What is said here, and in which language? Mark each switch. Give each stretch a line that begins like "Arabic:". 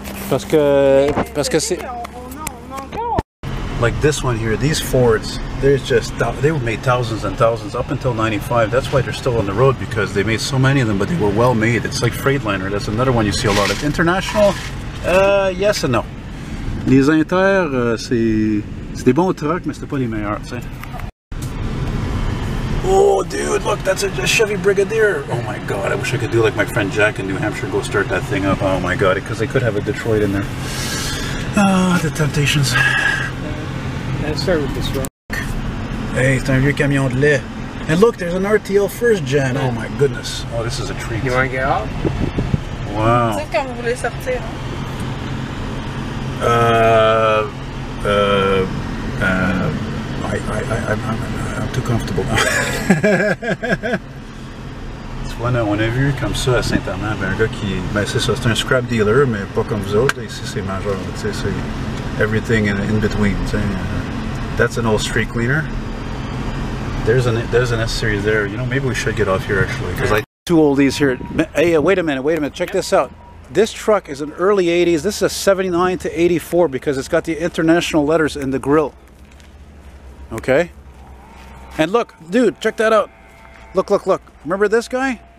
French: Parce que c'est...
English: Like this one here, these Fords, they were made thousands and thousands up until 95. That's why they're still on the road, because they made so many of them, but they were well made. It's like Freightliner. That's another one you see a lot of. International, yes and no.
French: Les Inter, c'est des bons trucks, mais c'est pas les meilleurs, tu sais.
English: Oh, dude, look, that's a Chevy Brigadier. Oh, my God, I wish I could do like my friend Jack in New Hampshire and go start that thing up. Oh, my God, because they could have a Detroit in there. Ah, the temptations. Let's start with this rock. Hey,
French: c'est un vieux camion de lait.
English: And look, there's an RTL first gen. Oh, my goodness. Oh, this is a treat. You want to get out? Wow.
French: C'est quand vous voulez sortir?
English: I'm too comfortable now.
French: C'est bon, on a vu comme ça à Saint-Armand, ben un gars qui, ben c'est ça, c'est un scrap dealer, mais pas comme vous autres, ici c'est majeur, tu sais, c'est
English: everything in between,
French: tu sais.
English: That's an old street cleaner. There's an S-Series there, you know, maybe we should get off here actually, because I... Two oldies here. Hey, wait a minute, check this out. This truck is an early 80s, this is a 79 to 84, because it's got the international letters in the grill. Okay? And look, dude, check that out. Look. Remember this guy?